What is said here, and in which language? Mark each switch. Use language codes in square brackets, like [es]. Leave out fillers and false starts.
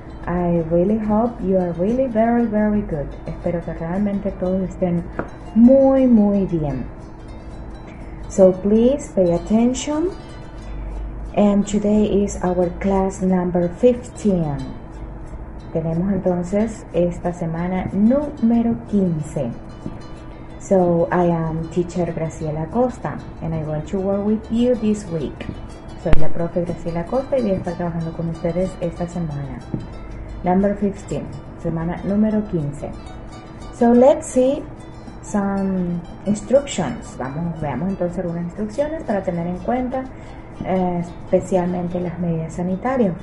[en] I really hope you are really very, very good. [es] Espero que realmente todos estén muy, muy bien. [en] So please pay attention. And today is our class number 15. [es] Tenemos entonces esta semana número 15. [en] So, I am teacher Graciela Costa, and I want to work with you this week. [es] Soy la profe Graciela Costa y voy a estar trabajando con ustedes esta semana. [en] Number 15, [es] semana número 15. [en] So, let's see some instructions. [es] Veamos entonces algunas instrucciones para tener en cuenta, especialmente las medidas sanitarias.